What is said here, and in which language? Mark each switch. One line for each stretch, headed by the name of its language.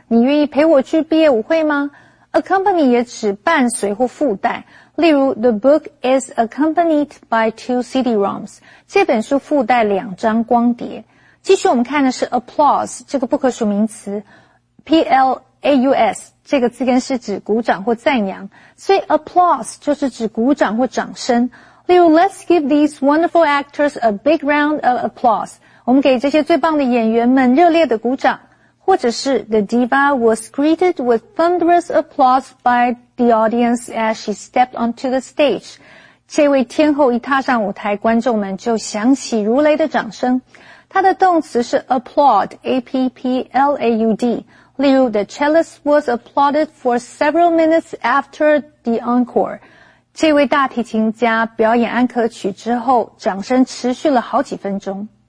Chinese: 你愿意陪我去毕业舞会吗？
English: Accompany
Chinese: 也指伴随或附带，例如
English: The book is accompanied by 2 CD-ROMs.
Chinese: 这本书附带两张光碟。继续我们看的是 applause 这个不可数名词 ，plaus 这个字根是指鼓掌或赞扬，所以 applause 就是指鼓掌或掌声。例如
English: ，Let's give these wonderful actors a big round of applause.
Chinese: 我们给这些最棒的演员们热烈的鼓掌。或者是
English: The diva was greeted with thunderous applause by the audience as she stepped onto the stage.
Chinese: 这位天后一踏上舞台，观众们就响起如雷的掌声。它的动词是 applaud, A-P-P-L-A-U-D. 例如
English: The cellist was applauded for several minutes after the encore.
Chinese: 这位大提琴家表演安可曲之后，掌声持续了好几分钟。